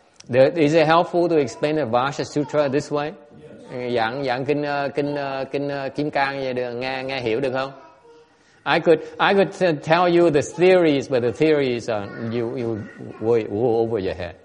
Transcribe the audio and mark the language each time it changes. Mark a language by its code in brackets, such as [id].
[en] Is it helpful to explain the Vajra Sutra this way? [vi] Giảng kinh Kim Cang vậy được, nghe hiểu được không? [en] I could tell you the theories, but the theories are you way over your head.